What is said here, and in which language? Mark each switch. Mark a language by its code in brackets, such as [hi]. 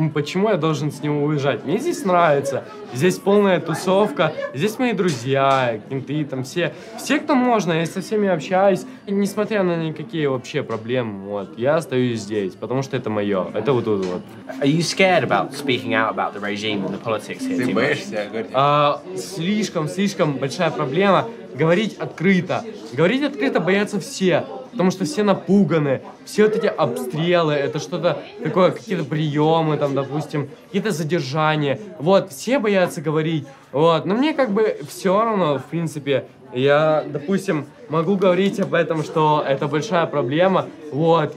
[ru] Почему я должен с него уезжать? Мне здесь нравится. Здесь полная тусовка. Здесь мои друзья, кенты, там все. Все, кто можно, я со всеми общаюсь. И несмотря на никакие вообще проблемы, вот, я остаюсь здесь, потому что это мое. Это вот тут вот. [en] Are you scared about speaking out about the regime and the politics here? [ru] Ты боишься? Слишком большая проблема. Говорить открыто. Говорить открыто боятся все, потому что все напуганы. Все вот эти обстрелы, это что-то такое, какие-то приемы там, допустим, какие-то задержания. Вот, все боятся говорить, вот. Но мне как бы все равно, в принципе, я, допустим, могу говорить об этом, что это большая проблема, вот.